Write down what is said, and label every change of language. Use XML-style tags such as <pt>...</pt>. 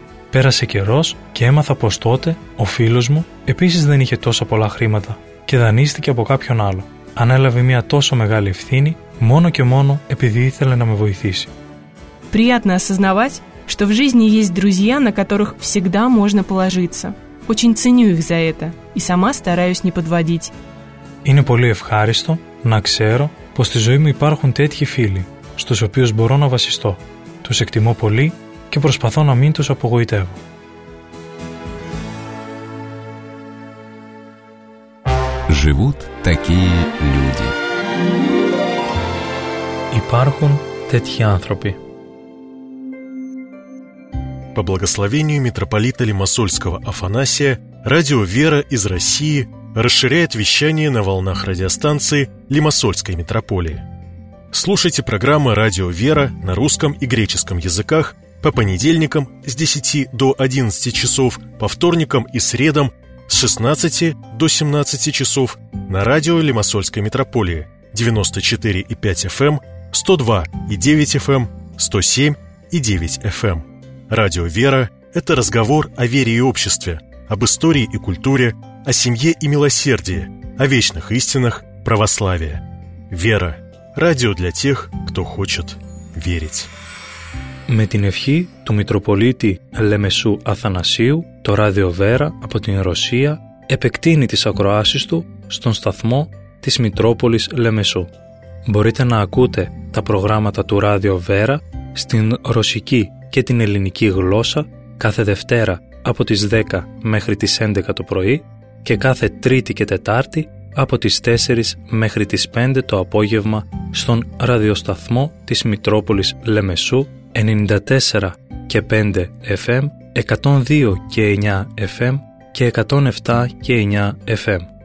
<el>Πέρασε καιρός και έμαθα πως τότε ο φίλος μου επίσης δεν είχε τόσο πολλά χρήματα και δανείστηκε από κάποιον άλλο. Ανέλαβε μια τόσο μεγάλη ευθύνη μόνο και μόνο επειδή ήθελε να με βοηθήσει.</el> <ru>Приятно осознавать, что в жизни есть друзья, на которых всегда можно положиться. Очень ценю их за это и сама стараюсь не подводить.</ru> <el>Είναι πολύ ευχάριστο να ξέρω πως στη ζωή μου υπάρχουν τέτοιοι φίλοι, στους οποίους μπορώ να βασιστώ. Τους εκτιμώ πολύ και προσπαθώ να μην τους απογοητεύω.</el> <ru>Живут такие люди.</ru> <el>Υπάρχουν τέτοιοι άνθρωποι.</el> <ru>По благословению митрополита Лимассольского Афанасия, радио «Вера» из России расширяет вещание на волнах радиостанции Лимассольской митрополии. Слушайте программы «Радио «Вера» на русском и греческом языках по понедельникам с 10 до 11 часов, по вторникам и средам с 16 до 17 часов на радио Лимассольской митрополии 94,5 FM, 102,9 FM, 107,9 FM. Радио «Вера» – это разговор о вере и обществе, об истории и культуре, о семье и милосердии, о вечных истинах православия. «Вера» – радио для тех, кто хочет верить.</ru> <el>Με την ευχή του Μητροπολίτη Λεμεσού Αθανασίου, το Ράδιο Βέρα από την Ρωσία επεκτείνει τις ακροάσεις του στον σταθμό της Μητρόπολης Λεμεσού. Μπορείτε να ακούτε τα προγράμματα του Ράδιο Βέρα στην ρωσική και την ελληνική γλώσσα κάθε Δευτέρα από τις 10 μέχρι τις 11 το πρωί και κάθε Τρίτη και Τετάρτη από τις 4 μέχρι τις 5 το απόγευμα στον ραδιοσταθμό της Μητρόπολης Λεμεσού 94 και 5 FM, 102 και 9 FM και 107 και 9 FM.</el>